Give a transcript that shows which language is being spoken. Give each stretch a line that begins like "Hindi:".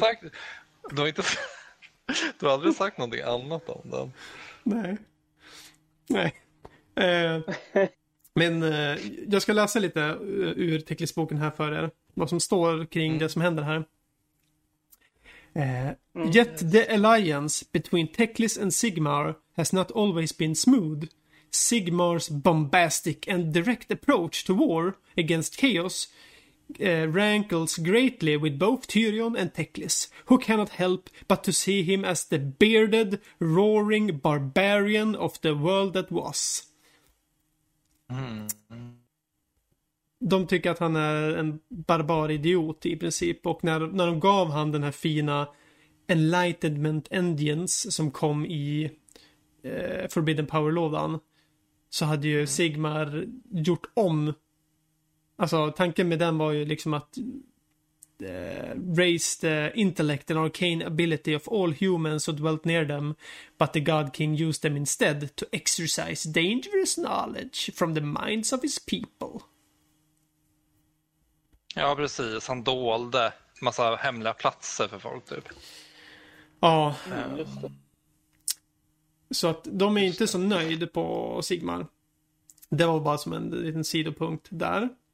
Swedish: sagt... Du har inte... Du har aldrig sagt någonting annat om den. Nej. Nej. Men jag ska läsa lite ur teckningsboken här för er. Vad som står kring det som händer här.
English: Yet the alliance between Teclis and Sigmar has not always been smooth. Sigmar's bombastic and direct approach to war against chaos rankles greatly with both Tyrion and Teclis, who cannot help but to see him as the bearded, roaring barbarian of the world that was.
Swedish: De tycker att han är en barbaridiot i princip, och när de gav han den här fina Enlightenment Engines som kom i Forbidden Power-lådan, så hade ju Sigmar gjort om. Alltså, tanken med den var ju liksom att
English: raise the intellect and arcane ability of all humans who dwelt near them, but the God King used them instead to exercise dangerous knowledge from the minds of his people.
Swedish: Ja, precis. Han dolde massa hemliga platser för folk, typ. Ja. Just det. Så att de är inte så nöjda på Sigmar. Det var bara som en liten sidopunkt där.